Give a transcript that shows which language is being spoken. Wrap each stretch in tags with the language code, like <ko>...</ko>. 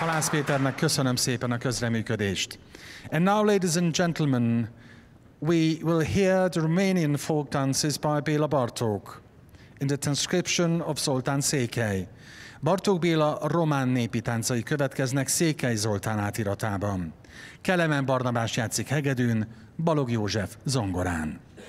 <hu>Péternek köszönöm szépen a közreműködést.</hu> <en>And now, ladies and gentlemen, we will hear the Romanian folk dances by Béla Bartók in the transcription of Zoltán Székely.</en> <hu>Bartók Béla román népi táncai következnek Székely Zoltán átiratában. Kelemen Barnabás játszik hegedűn, Balog József zongorán.</hu>